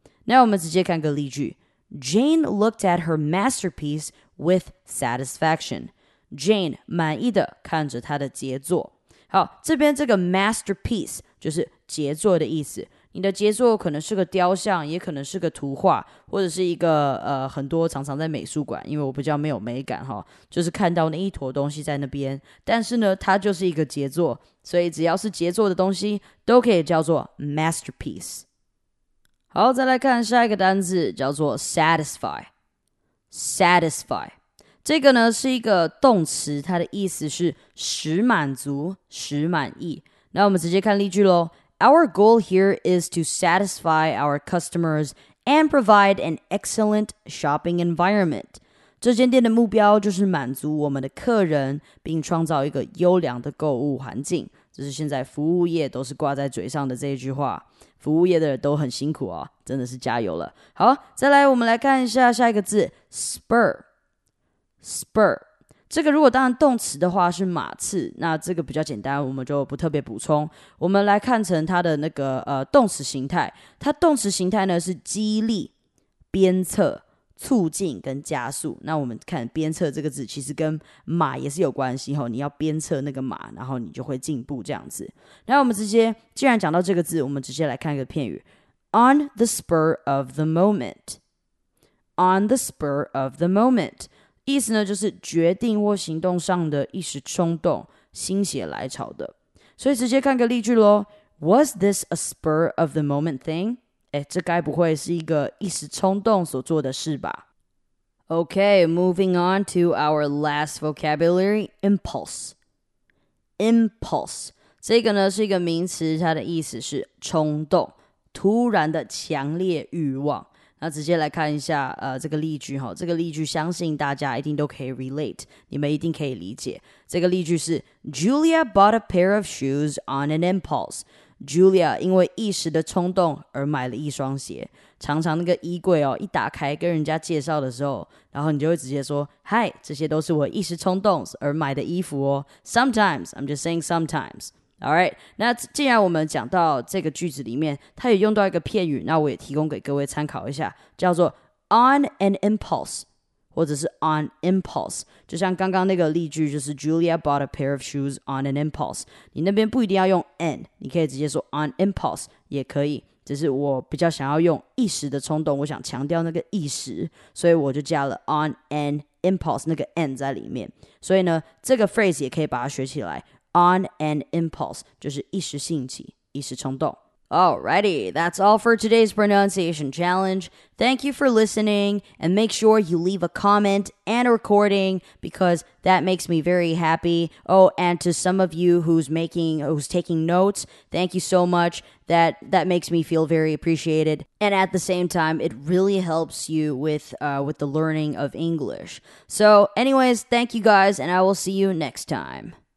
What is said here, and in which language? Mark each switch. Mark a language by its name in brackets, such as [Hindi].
[Chinese] 那我们直接看个例句 ： [English] Jane looked at her masterpiece with satisfaction. [Chinese] Jane 满意的看着她的杰作。好，这边这个 masterpiece 就是杰作的意思。你的杰作可能是个雕像，也可能是个图画，或者是一个很多常常在美术馆，因为我比较没有美感哈，就是看到那一坨东西在那边，但是呢它就是一个杰作，所以只要是杰作的东西都可以叫做 masterpiece。好，再来看下一个单字叫做 satisfy。satisfy 这个呢是一个动词，它的意思是使满足、使满意。那我们直接看例句咯。 [English] Our goal here is to satisfy our customers and provide an excellent shopping environment. [Chinese] 这间店的目标就是满足我们的客人，并创造一个优良的购物环境。这是现在服务业都是挂在嘴上的这一句话。服务业的人都很辛苦哦，真的是加油了。好，再来我们来看一下下一个字 ,spur。 spur。这个如果当动词的话是马刺，那这个比较简单，我们就不特别补充。我们来看成它的那个动词形态，它动词形态呢是激励、鞭策、促进跟加速。那我们看鞭策这个字其实跟马也是有关系，你要鞭策那个马，然后你就会进步这样子。那我们直接既然讲到这个字，我们直接来看一个片语 [English] On the spur of the moment. On the spur of the moment， [Chinese] 意思呢就是决定或行动上的一时冲动，心血来潮的。所以直接看个例句咯。 Was this a spur of the moment thing? 这该不会是一个一时冲动所做的事吧。 [English] Okay, moving on to our last vocabulary, impulse. [Chinese] Impulse 这个呢是一个名词，它的意思是冲动，突然的强烈欲望。那直接来看一下这个例句齁，这个例句相信大家一定都可以 relate， 你们一定可以理解。这个例句是 [English] Julia bought a pair of shoes on an impulse. [Chinese] Julia 因为一时的冲动而买了一双鞋。常常那个衣柜哦一打开跟人家介绍的时候，然后你就会直接说 Hi， 这些都是我一时冲动而买的衣服哦。 [English] Sometimes, I'm just saying sometimes. [Chinese] Alright, 那既然我们讲到这个句子里面，它也用到一个片语，那我也提供给各位参考一下，叫做 [English] on an impulse， [Chinese] 或者是 [English] on impulse。 [Chinese] 就像刚刚那个例句，就是 [English] Julia bought a pair of shoes on an impulse， [Chinese] 你那边不一定要用 an， 你可以直接说 [English] on impulse [Chinese] 也可以，只是我比较想要用一时的冲动，我想强调那个一时，所以我就加了 [English] on an impulse [Chinese] 那个 an 在里面。所以呢这个 phrase 也可以把它学起来 [English] on an impulse, [Chinese] 就是一时兴起，一时冲动。 [English] Alrighty, that's all for today's pronunciation challenge. Thank you for listening, and make sure you leave a comment and a recording, because that makes me very happy. Oh, and to some of you who's taking notes, thank you so much. That makes me feel very appreciated. And at the same time, it really helps you with the learning of English. So anyways, thank you guys, and I will see you next time.